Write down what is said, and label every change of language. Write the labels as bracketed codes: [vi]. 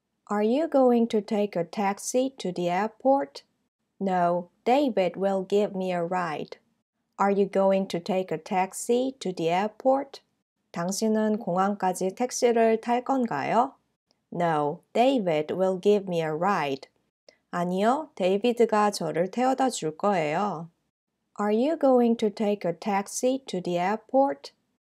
[en] Are you going to take a taxi to the airport? No, David will give me a ride. Are you going to take a taxi to the airport? [ko] 당신은 공항까지 택시를 탈 건가요? [en] No, David will give me a ride. [ko] 아니요, 데이비드가 저를 태워다 줄 거예요. [en] Are you going to take a taxi to the airport?